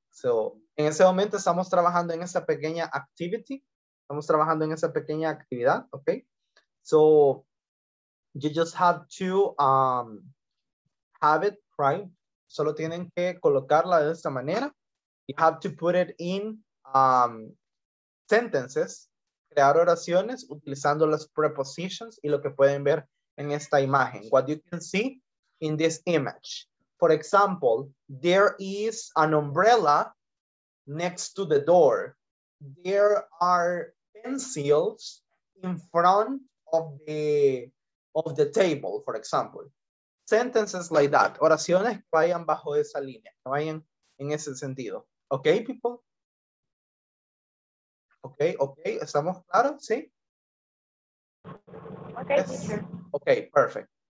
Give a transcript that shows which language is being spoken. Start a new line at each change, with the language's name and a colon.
Spanish: So, en ese momento estamos trabajando en esa pequeña activity. Estamos trabajando en esa pequeña actividad, okay?
English: So, you just have to have it, right?
Spanish: Solo tienen que colocarla de esta manera.
English: You have to put it in sentences,
Spanish: crear oraciones utilizando las prepositions y lo que pueden ver en esta imagen.
English: What you can see in this image. For example, there is an umbrella next to the door. There are pencils in front of the table, for example. Sentences like that.
Spanish: Oraciones que vayan bajo esa línea, que vayan en ese sentido.
English: Okay, people?
Spanish: Okay, okay. ¿Estamos claros? ¿Sí?
English: Okay, yes. Okay, perfect.